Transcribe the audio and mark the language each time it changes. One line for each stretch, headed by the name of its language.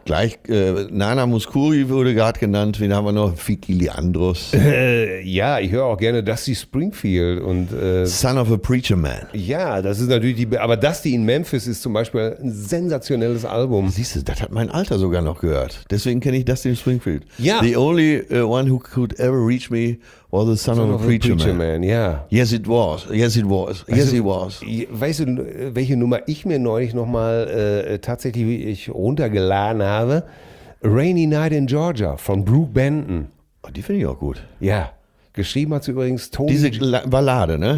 German: Gleich, Nana Mouskouri wurde gerade genannt, wen haben wir noch? Fikiliandros. Ja, ich höre auch gerne Dusty Springfield und... Son of a Preacher Man. Ja, das ist natürlich die... Aber Dusty in Memphis ist zum Beispiel ein sensationelles Album. Siehst du, das hat mein Alter sogar noch gehört. Deswegen kenne ich Dusty Springfield. Ja.
English: The only one who could ever reach me... Or the son of a preacher man. Yeah. Yes, it was. Yes, it was. Also, yes, it was.
German: Weißt du, welche Nummer ich mir neulich nochmal tatsächlich ich runtergeladen habe? Rainy Night in Georgia von Brooke Benton. Oh, die finde ich auch gut. Ja. Geschrieben hat sie übrigens Tony. Diese Ballade, ne?